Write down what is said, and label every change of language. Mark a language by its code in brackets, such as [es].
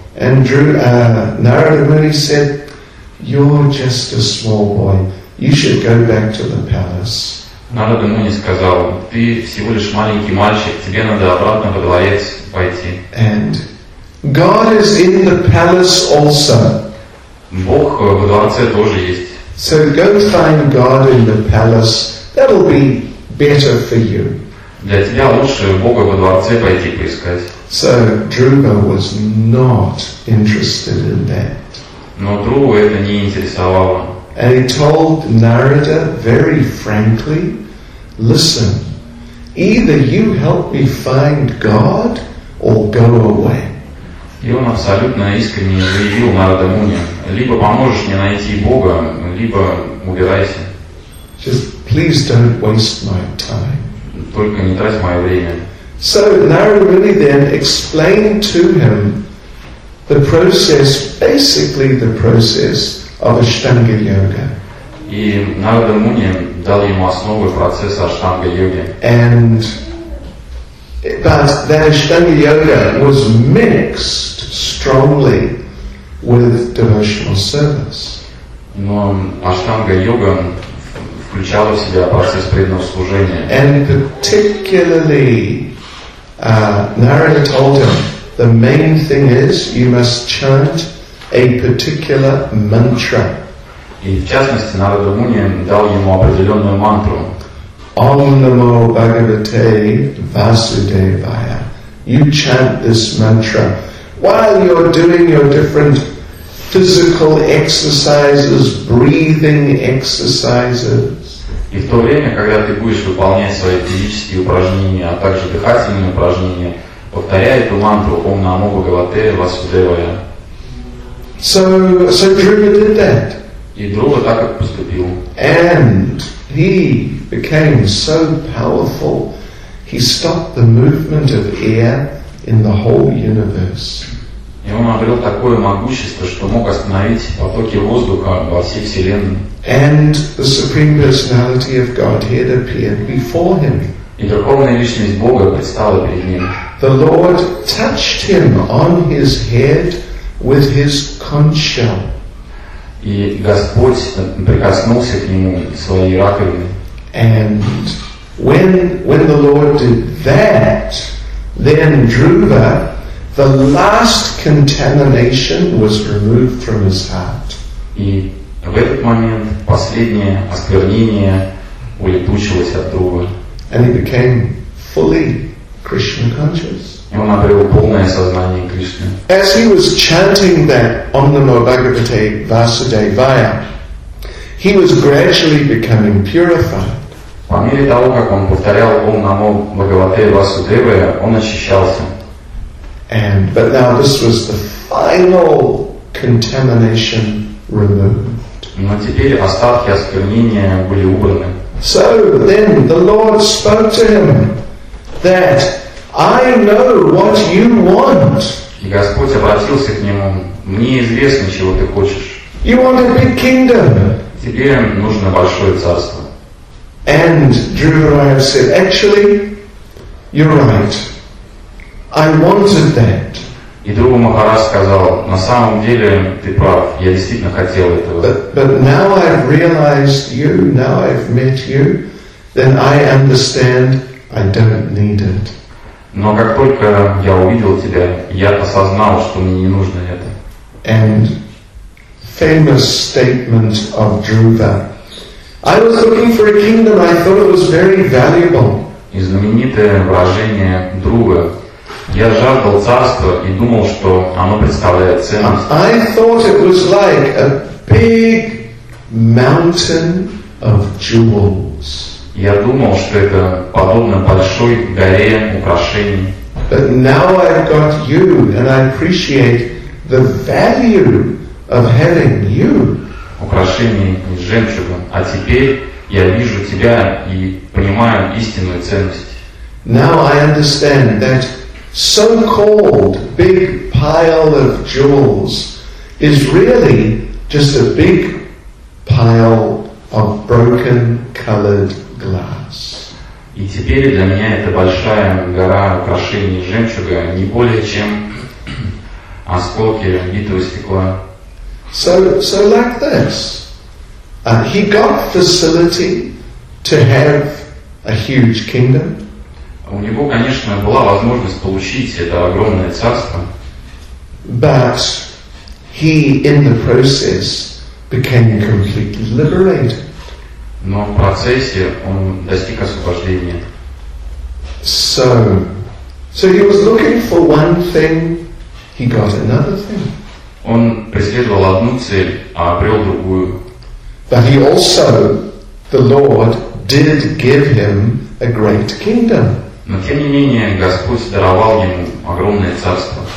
[en] And Narada Muni said, you're just a small boy. You should go back to the palace. [ru] Narada Muni сказал, ты всего лишь маленький мальчик, тебе надо обратно во дворец пойти. [en] And God is in the palace also. [ru] Бог в дворце тоже есть. [en] So go find God in the palace. That'll be better for you. [ru] Для тебя лучше Бога во дворце пойти поискать. [en] So Dhruva was not interested in that. [ru] Но Dhruva это не интересовало. [en] And he told Narada very frankly, listen, either you help me find God or go away. [ru] И он абсолютно искренне заявил Нарада Муни, либо поможешь мне найти Бога, либо убирайся. [en] Just please don't waste my time. [ru] Только не трать мое время. [en] So Narada Muni then explained to him the process, basically the process of Ashtanga Yoga. [ru] И Narada Muni дал ему основы процесса Ashtanga Yoga. [en] But that Ashtanga Yoga was mixed strongly with devotional service. [ru] Но Ashtanga Yoga включала в себя процесс преданного служения. [en] And particularly Narada told him, the main thing is you must chant a particular mantra. [ru] И в частности, Narada Muni дал ему определенную мантру. [sa] Om Namo Bhagavate Vasudevaya. [en] You chant this mantra while you're doing your different physical exercises, breathing exercises. [ru] И в то время, когда ты будешь выполнять свои физические упражнения, а также дыхательные упражнения, повторяй эту мантру [sa] Ом Намо Бхагавате Васудевая. [en] So Dhruva did that. [ru] И Dhruva так и поступил. [en] And he became so powerful, he stopped the movement of air in the whole universe. [ru] И он обрел такое могущество, что мог остановить потоки воздуха во всей вселенной. [en] And the Supreme Personality of Godhead appeared before him. [ru] И Верховная Личность Бога предстала перед ним. [en] The Lord touched him on his head with his conch shell. [ru] И Господь прикоснулся к нему своей раковиной. [en] And when the Lord did that, then Dhruva, the last contamination was removed from his heart. [ru] И в этот момент последнее осквернение улетучилось от Друвы. [en] And he became fully Krishna conscious. [ru] И он обрел полное сознание Кришны. [en] As he was chanting that [sa] Om Namo Bhagavate Vasudevaya, [en] he was gradually becoming purified. [ru] По мере того, как он повторял [sa] Om Namo Bhagavate Vasudevaya, [ru] он очищался. [en] And but now this was the final contamination removed. [ru] Но теперь остатки осквернения были убраны. [en] So then the Lord spoke to him that I know what you want. [ru] И Господь обратился к нему: мне известно, чего ты хочешь. [en] You want a big kingdom. [ru] Тебе нужно большое царство. [en] And Dhruva said, actually, you're right. I wanted that. [ru] И Друва Махарадж сказал: на самом деле ты прав, я действительно хотел этого. [en] But now I've realized you, now I've met you, then I understand I don't need it. [ru] Но как только я увидел тебя, я осознал, что мне не нужно это. [en] And famous statement of Dhruva. I was looking for a kingdom, I thought it was very valuable. [ru] И знаменитое выражение Друвы. Я жаждал царства и думал, что оно представляет ценность. [en] I thought it was like a big mountain of jewels. [ru] Я думал, что это подобно большой горе украшений. [en] But now I've got you, and I appreciate the value of having you. [ru] Украшений из жемчуга. А теперь я вижу тебя и понимаю истинную ценность. [en] Now I understand that so-called big pile of jewels is really just a big pile of broken colored glass. [ru] И теперь для меня эта большая гора украшений жемчуга не более чем осколки битого стекла. So like this. He got facility to have a huge kingdom. У него, конечно, была возможность получить это огромное царство. [en] But he in the process became completely liberated. [ru] Но в процессе он достиг освобождения. [en] So he was looking for one thing, he got another thing. [ru] Он преследовал одну цель, а обрел другую. [en] But he also, the Lord, did give him a great kingdom. [ru] Но тем не менее Господь даровал ему огромное царство.